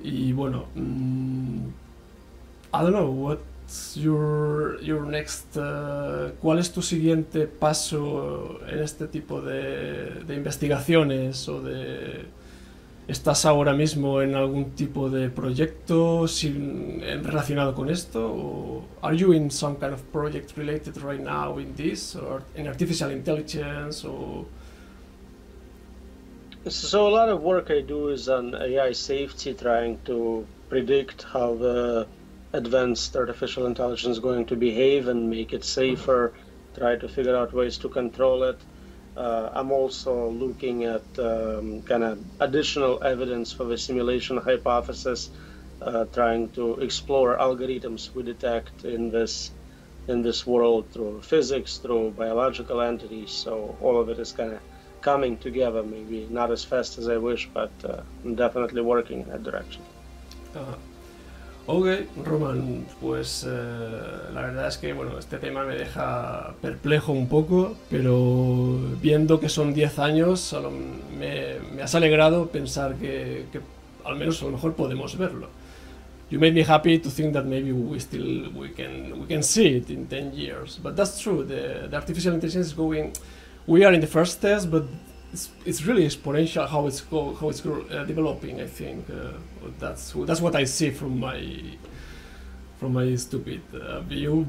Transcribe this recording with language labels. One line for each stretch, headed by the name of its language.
Spanish: Y bueno,
English: I don't know what.
Spanish: ¿Cuál es tu siguiente paso en este tipo de investigaciones? ¿Estás ahora mismo en algún tipo de proyecto relacionado con esto?
English: ¿O are you in some kind of project related right now in this or in artificial intelligence or? So a lot of work I do is on AI safety, trying to predict how the advanced artificial intelligence is going to behave and make it safer, try to figure out ways to control it. I'm also looking at kind of additional evidence for the simulation hypothesis, trying to explore algorithms we detect in this world through physics, through biological entities. So all of it is kind of coming together, maybe not as fast as I wish, but I'm definitely working in that direction.
Spanish: Ok, Roman, pues la verdad es que bueno, este tema me deja perplejo un poco, pero viendo que son 10 años, me has alegrado pensar que al menos a lo mejor podemos verlo.
English: You made me happy to think that maybe we can see it in 10 years. But that's true, the artificial intelligence is going. We are in the first test, but it's really exponential how it's developing, I think. That's what I see from my stupid view.